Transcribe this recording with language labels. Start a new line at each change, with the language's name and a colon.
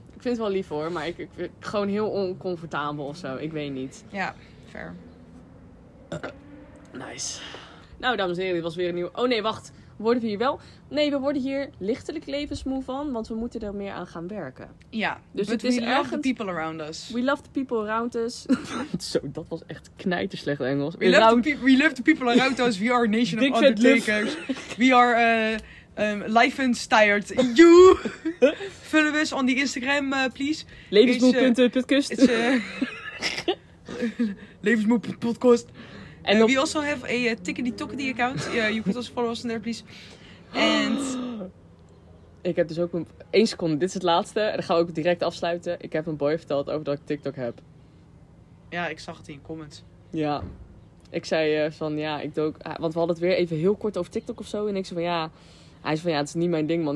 Dutch: Ik vind het wel lief hoor, maar ik vind gewoon heel oncomfortabel of zo. Ik weet niet. Ja, fair.
English: Nice.
Dutch: Nou, dames en heren, dit was weer een nieuw. Oh nee, wacht. Worden we hier wel? Nee, we worden hier lichtelijk levensmoe van, want we moeten er meer aan gaan werken. Ja, dus but het is
English: we love
Dutch: ergens...
English: the people around us. We love the people around us.
Dutch: Zo, dat was echt knijterslecht Engels.
English: We love the people around us. We are a nation of undertakers. We are... life inspired you. Follow us on the Instagram, please.
Dutch: Levensmoe.podcast. Levensmoe.podcast.
English: We also have a tickety-tockety account. You can also follow us on there, please. And...
Dutch: ik heb dus ook een... 1 seconde, dit is het laatste. En dan gaan we ook direct afsluiten. Ik heb een boy verteld over dat ik TikTok heb. Ja, ik zag het in comments. Ja. Ik zei van, ja, ik dook... Want we hadden het weer even heel kort over TikTok of zo. En ik zei van, ja... Hij zei van, ja, het is niet mijn ding, man.